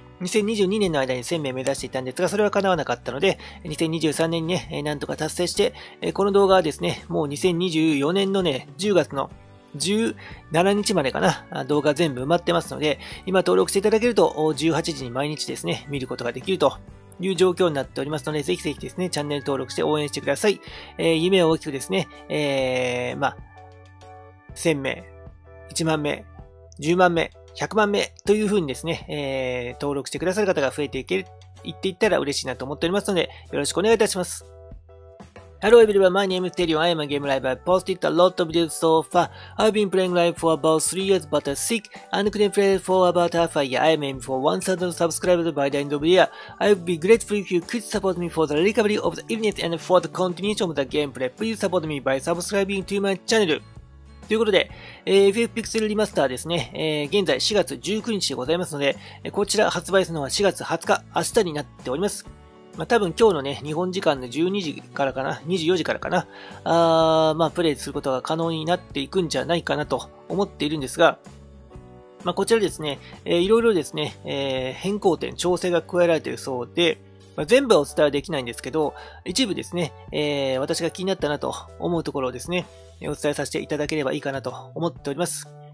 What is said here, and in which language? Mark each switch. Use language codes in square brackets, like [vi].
[ja] 2022年の間に1000名目指していたんですが、それは叶わなかったので、2023年にね、なんとか達成して、この動画はですね、もう2024年のね、10月の17日までかな、動画全部埋まってますので、今登録していただけると、18時に毎日ですね、見ることができるという状況になっておりますので、ぜひぜひですね、チャンネル登録して応援してください。夢を大きくですね、まあ、1000名、1万名、10万名、100万名というふうにですね、登録してくださる方が増えていける、言っていったら嬉しいなと思っておりますので、よろしくお願いいたします。 [en] Hello everyone, my name is Terion. I am a game live. I posted a lot of videos so far. I've been playing live for about 3 years but I'm sick and couldn't play for about half a year. I am aiming for 1000 subscribers by the end of the year. I would be grateful if you could support me for the recovery of the illness and for the continuation of the gameplay. Please support me by subscribing to my channel. [ja] ということで、FF ピクセルリマスターですね、現在4月19日でございますので、こちら発売するのは4月20日、明日になっております。まあ、多分今日のね、日本時間の12時からかな、24時からかな、まあ、プレイすることが可能になっていくんじゃないかなと思っているんですが、まあ、こちらですね、いろいろですね、変更点、調整が加えられているそうで、まあ、全部はお伝えできないんですけど、一部ですね、私が気になったなと思うところをですね、お伝えさせていただければいいかなと思っております。